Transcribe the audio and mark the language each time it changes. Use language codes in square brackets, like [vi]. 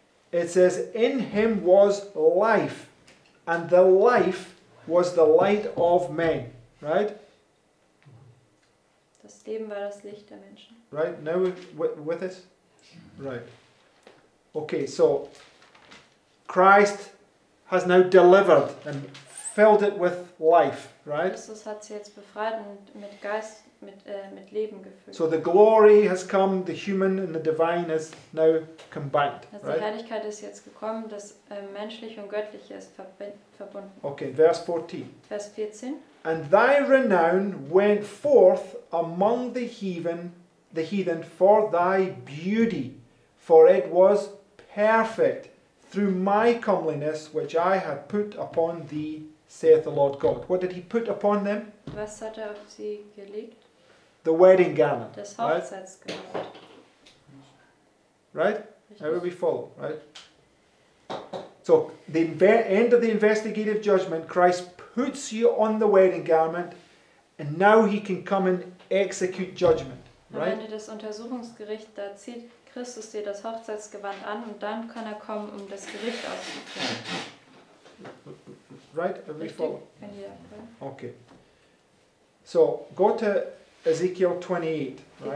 [en] It says, in him was life, and the life was the light of men. Right? [de] Das Leben war das Licht der Menschen. [en] Right? Now with it? Right. Okay, so Christ has now delivered and filled it with life. Right? [de] Jesus hat sie jetzt befreit und mit Geist mit Leben gefüllt. [en] So the glory has come, the human and the divine is now combined. [de] Also [en] right? [de] Die Herrlichkeit ist jetzt gekommen, das menschliche und göttliche ist verbunden. [en] Okay, verse 14. [de] Vers 14. [en] And thy renown went forth among the heathen for thy beauty, for it was perfect through my comeliness which I had put upon thee, saith the Lord God. What did he put upon them? [de] Was hat er auf sie gelegt? [en] The wedding garment. [de] Das Hochzeitsgewand. [en] Right? How will we follow? Right? So, the end of the investigative judgment, Christ puts you on the wedding garment and now he can come and execute judgment. Right? [de] Am Ende des Untersuchungsgerichts, da zieht Christus dir das Hochzeitsgewand an und dann kann er kommen, um das Gericht auszuführen. [en] Right? Will we follow? Okay. So, go to Ezekiel 28, right?